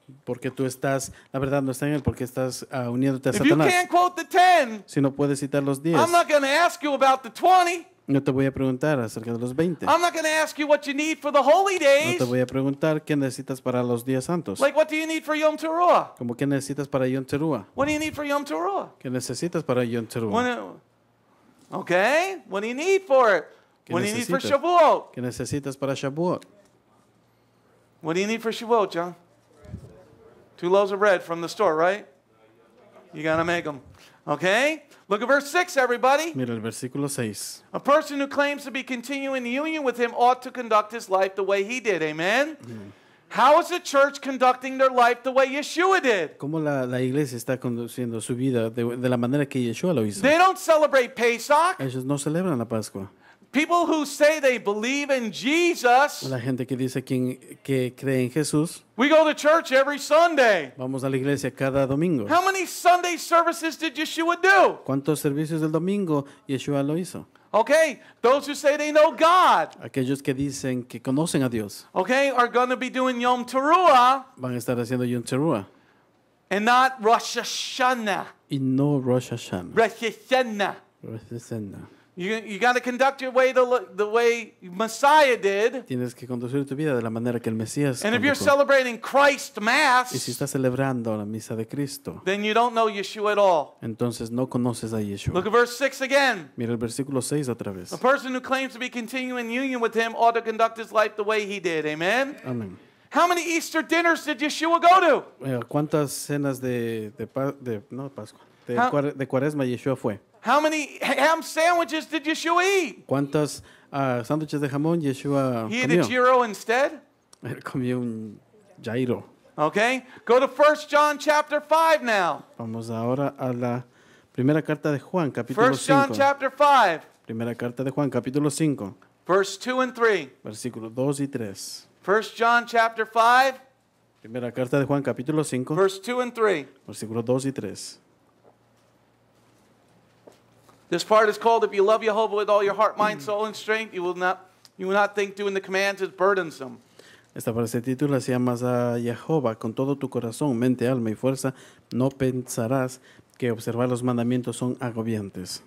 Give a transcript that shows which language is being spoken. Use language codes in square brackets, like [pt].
[es] Porque tú estás, la verdad no está en él, porque estás uniéndote a [en] If [es] Satanás. [en] You can't quote the 10, [es] si no puedes citar los 10, [en] I'm not going to ask you about the 20. [es] No te voy a preguntar acerca de los 20. [en] I'm not going to ask you what you need for the holy days. [es] No te voy a preguntar qué necesitas para los días santos. [en] Like what do you need for Yom Teruah? [es] Como qué necesitas para Yom Teruah. [en] What do you need for Yom Teruah? [es] ¿Qué necesitas para Yom Teruah? [en] Okay, what do you need for it? What do you need for Shavuot? [es] ¿Qué necesitas para Shavuot? [en] What do you need for Shavuot, John? Two loaves of bread from the store, right? You got to make them. Okay? Look at verse 6, everybody. [es] Mira el versículo 6. [en] A person who claims to be continuing union with him ought to conduct his life the way he did. Amen? Mm. How is the church conducting their life the way Yeshua did? [es] ¿Cómo la iglesia está conduciendo su vida de la manera que Yeshua lo hizo? [en] They don't celebrate Pesach. [es] Ellos no celebran la Pascua. [en] People who say they believe in Jesus. [es] La gente que dice que cree en Jesús. [en] We go to church every Sunday. [es] Vamos a la iglesia cada domingo. [en] How many Sunday services did Yeshua do? [es] ¿Cuántos servicios del domingo Yeshua lo hizo? [en] Okay, those who say they know God. [es] Aquellos que dicen que conocen a Dios. [en] Okay, are going to be doing Yom Teruah. [es] Van a estar haciendo Yom Teruah. [en] And not Rosh Hashanna. [es] Y no Rosh Hashanna. [en] Rosh Hashanna. [es] Rosh Hashanna. [en] You got to conduct your way the way Messiah did. [es] Tienes que conducir tu vida de la manera que el Mesías. [en] And if you're celebrating Christ Mass, [es] y si estás celebrando la misa de Cristo, [en] then you don't know Yeshua at all. [es] Entonces no conoces a Yeshua. [en] Look at verse 6 again. [es] Mira el versículo 6 otra vez. [en] A person who claims to be continuing union with Him ought to conduct his life the way He did. Amen. Amen. How many Easter dinners did Yeshua go to? [es] ¿Cuántas cenas de Pascua de Cuaresma Yeshua fue? [en] How many ham sandwiches did Yeshua eat? [es] ¿Cuántas sándwiches de jamón Yeshua comió? [en] He ate a gyro instead. [es] Él comió un gyro. [en] Okay, go to 1 John chapter 5 now. [es] Vamos ahora a la primera carta de Juan, capítulo [en] 5. 1 John chapter 5. [es] Primera carta de Juan, capítulo 5. [en] Verse 2 and 3. [es] Versículo 2 y 3. [en] 1 John chapter 5. [es] Primera carta de Juan, capítulo 5. [en] Verse 2 and 3. [es] Versículo 2 y 3. [en] This part is called, if you love Yehovah with all your heart, mind, soul, and strength, you will not think doing the commands is burdensome. [es] Esta parte se titula, si amas a Yehovah con todo tu corazón, mente, alma, y fuerza, no pensarás que observar los mandamientos son agobiantes.